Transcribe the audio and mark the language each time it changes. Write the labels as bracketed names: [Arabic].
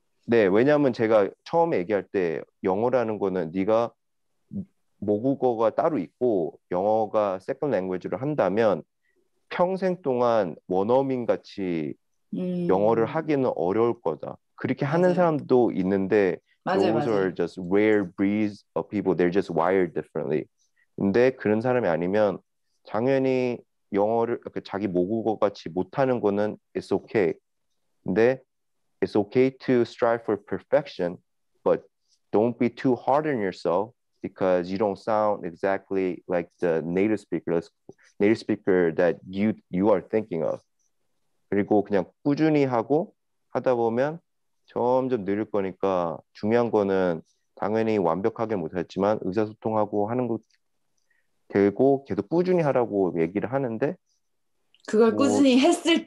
[Korean] 네, 왜냐하면 제가 처음에 얘기할 때 영어라는 거는 네가 모국어가 따로 있고 영어가 세컨 랭귀지로 한다면 평생 동안 원어민 같이 영어를 하기는 어려울 거다. 그렇게 하는 맞아요. 사람도 있는데, 맞아요, 맞아요. [English] those are just rare breeds of people. They're just wired differently. [Korean] 근데 그런 사람이 아니면 당연히 영어를 자기 모국어 같이 못하는 거는 [English] it's okay. [Korean] 근데 [English] it's okay to strive for perfection, but don't be too hard on yourself because you don't sound exactly like the native speaker that you are thinking of. [Korean] 그리고 그냥 꾸준히 하고 하다 보면 점점 늘을 거니까, 중요한 거는 당연히 완벽하게 못했지만 의사소통하고 하는 거 되고 계속 꾸준히 하라고 얘기를 하는데, 그걸 뭐 꾸준히 했을